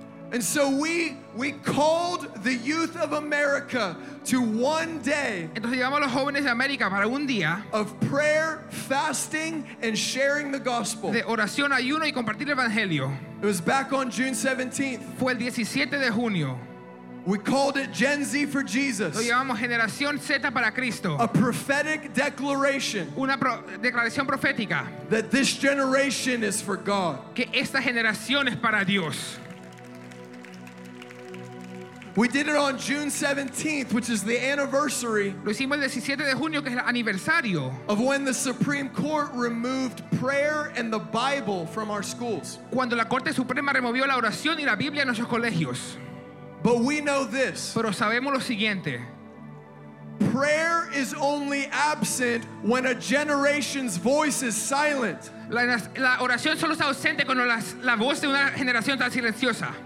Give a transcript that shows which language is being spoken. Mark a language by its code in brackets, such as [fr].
[en] And so we called the youth of America to one day. [es] Entonces llamamos a los jóvenes de América para un día [en] of prayer, fasting, and sharing the gospel. [es] De oración, ayuno y compartir el evangelio. [en] It was back on June 17th. [es] Fue el 17 de junio. [en] We called it Gen Z for Jesus. [es] Lo llamamos generación Z para Cristo. [en] A prophetic declaration. [es] Una declaración profética. [en] That this generation is for God. [es] Que esta generación es para Dios. [en] We did it on June 17th, which is the anniversary. [es] Lo hicimos el 17 de junio, que es el aniversario. [en] Of when the Supreme Court removed prayer and the Bible from our schools. [es] Cuando la Corte Suprema removió la oración y la Biblia en nuestros colegios. [en] But we know this. [es] Pero sabemos lo siguiente. [en] Prayer is only absent when a generation's voice is silent. [es] La oración solo está ausente cuando la voz de una generación está silenciosa.